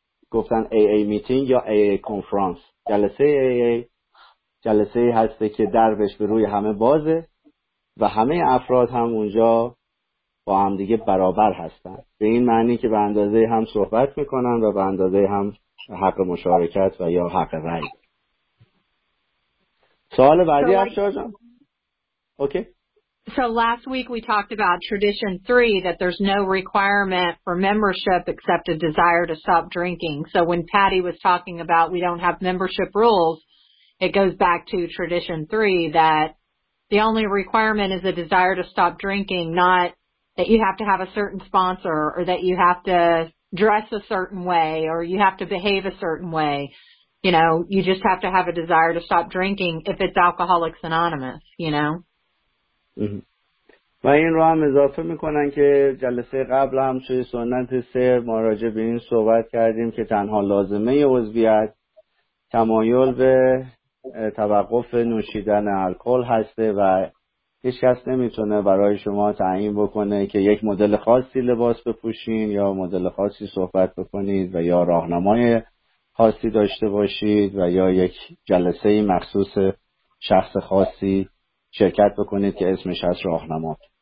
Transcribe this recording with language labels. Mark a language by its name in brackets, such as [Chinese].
[Persian] گفتن AA میتینگ یا AA کنفرانس، جلسه AA جلسه هسته که دربش به روی همه بازه و همه افراد هم اونجا با همدیگه برابر هستن، به این معنی که به اندازه هم صحبت میکنن و به اندازه هم حق مشارکت و یا حق رأی. سوال بعدی افشار جان. اوکی. [English] So last week we talked about tradition three, that there's no requirement for membership except a desire to stop drinking. So when Patty was talking about we don't have membership rules, it goes back to tradition three, that the only requirement is a desire to stop drinking, not that you have to have a certain sponsor or that you have to dress a certain way or you have to behave a certain way. You know, you just have to have a desire to stop drinking if it's Alcoholics Anonymous, you know. [Persian] و این رو هم اضافه میکنن که جلسه قبل هم توی سنت سر ما راجع به این صحبت کردیم که تنها لازمه عضویت تمایل به توقف نوشیدن الکل هسته و هیچ کس نمیتونه برای شما تعیین بکنه که یک مدل خاصی لباس بپوشین یا مدل خاصی صحبت بکنید و یا راهنمای خاصی داشته باشید و یا یک جلسه مخصوص شخص خاصی شرکت بکنید که اسمش هست راهنما.